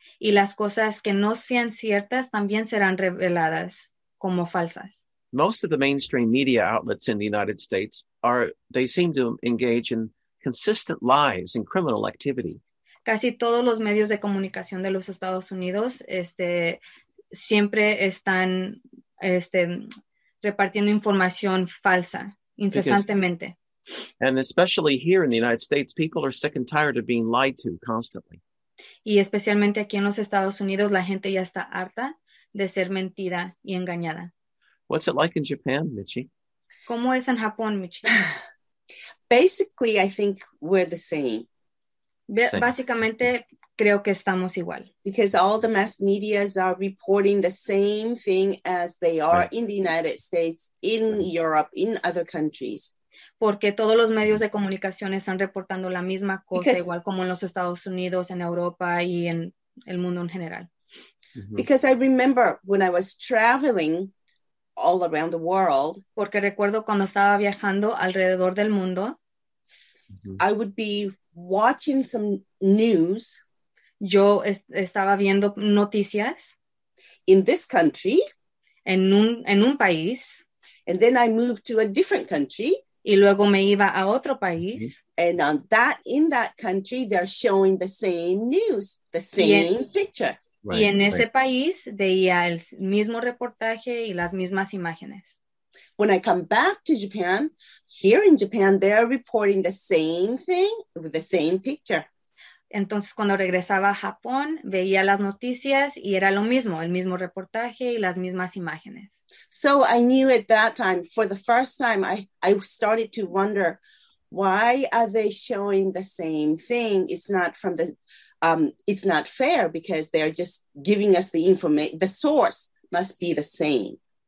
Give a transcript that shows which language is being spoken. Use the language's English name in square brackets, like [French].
[Spanish] Y las cosas que no sean ciertas también serán reveladas como falsas. [English] Most of the mainstream media outlets in the United States they seem to engage in consistent lies and criminal activity. [Spanish] Casi todos los medios de comunicación de los Estados Unidos siempre están repartiendo información falsa incesantemente. [English] And especially here in the United States, people are sick and tired of being lied to constantly. [Spanish] Y especialmente aquí en los Estados Unidos, la gente ya está harta de ser mentida y engañada. [English] What's it like in Japan, Michi? [Spanish] ¿Cómo es en Japón, Michi? [English] Basically, I think we're the same. [Spanish] Básicamente, creo que estamos igual. [English] Because all the mass medias are reporting the same thing as they are right. In the United States, in right. Europe, in other countries. [Spanish] Porque todos los medios de comunicación están reportando la misma cosa, [English] because, [Spanish] igual como en los Estados Unidos, en Europa y en el mundo en general. [English] Because I remember when I was traveling all around the world. [Spanish] Porque recuerdo cuando estaba viajando alrededor del mundo. [English] I would be watching some news. [Spanish] Yo estaba viendo noticias. [English] In this country. [Spanish] En un país. [English] And then I moved to a different country. [Spanish] Y luego me iba a otro país. [English] And on that, in that country, they're showing the same news, the same picture. Right, [Spanish] y en ese país veía el mismo reportaje y las mismas imágenes. [English] When I come back to Japan, here in Japan, they're reporting the same thing with the same picture. [Spanish] Entonces, cuando regresaba a Japón, veía las noticias y era lo mismo, el mismo reportaje y las mismas imágenes. [English] So I knew at that time, for the first time, I started to wonder, why are they showing the same thing? It's not from the, it's not fair, because they're just giving us the information, the source must be the same.